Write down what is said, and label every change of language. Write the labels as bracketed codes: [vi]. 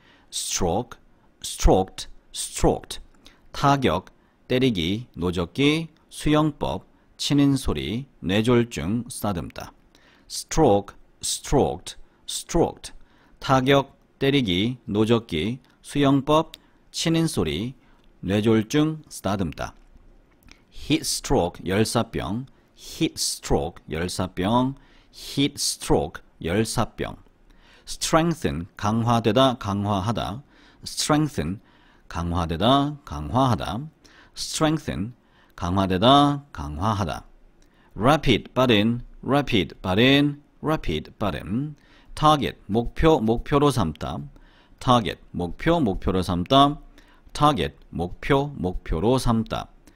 [ko] stroke, stroked, stroked, 타격, 때리기, 노젓기, 수영법, 치는 소리, 뇌졸중, 쓰다듬다. stroke, stroked, stroked, 타격, 때리기, 노젓기, 수영법, 치는 소리, 뇌졸중, 쓰다듬다. [en] heat stroke, 열사병, heat stroke, 열사병, heat stroke, 열사병. [ko] strengthen, 강화되다, 강화하다, strengthen, 강화되다, 강화하다, strengthen, 강화되다, 강화하다. [en] rapid, 빠른, rapid, 빠른, rapid, 빠른. [ko] target, 목표, 목표로 삼다, target, 목표, 목표로 삼다, target, 목표, 목표로 삼다.